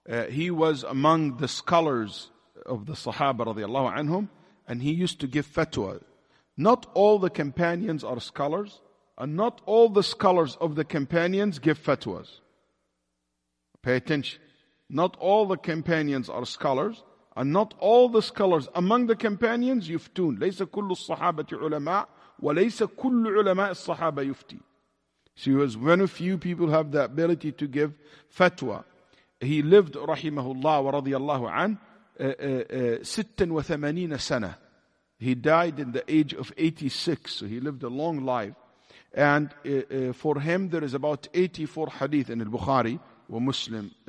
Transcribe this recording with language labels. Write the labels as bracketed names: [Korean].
[English] He was among the scholars of the Sahaba radiallahu anhum, and he used to give fatwa. Not all the companions are scholars, and not all the scholars of the companions give fatwas. Pay attention. Not all the companions are scholars, and not all the scholars among the companions yuftun. [Arabic] ليس كل الصحابة علماء وليس كل علماء الصحابة يفتي. [English] So he was one of few people who have the ability to give fatwa. He lived, rahimahullah wa radiyallahu an, 86 sana. He died in the age of 86, so he lived a long life. And for him, there is about 84 hadith in al-Bukhari wa Muslim.